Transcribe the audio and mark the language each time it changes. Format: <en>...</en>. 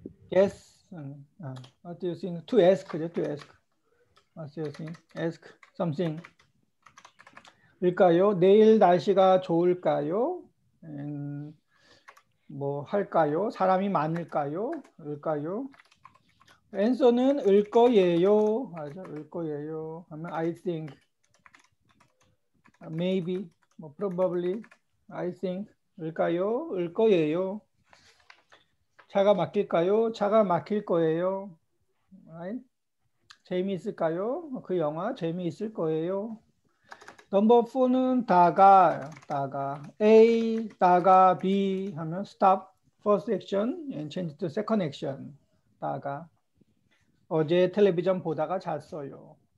<en>Guess. What do you think? To ask, 그죠? To ask. What do you think? Ask something. 일까요?</en> <ko>내일 날씨가 좋을까요? 뭐 할까요? 사람이 많을까요? 을까요? Answer는 을 거예요. 맞아, 을 거예요.</ko> <en>하면 I think, maybe, 뭐 probably, I think.</en> <ko>을까요? 을 거예요. 차가 막힐까요? 차가 막힐 거예요. Right? 재미있을까요? 그 영화 재미있을 거예요. 넘버 4는 다가.</ko> <en>A, 다가, B 하면 stop first action and change to second action.</en> <ko>다가. 어제 텔레비전 보다가 잤어요.</ko>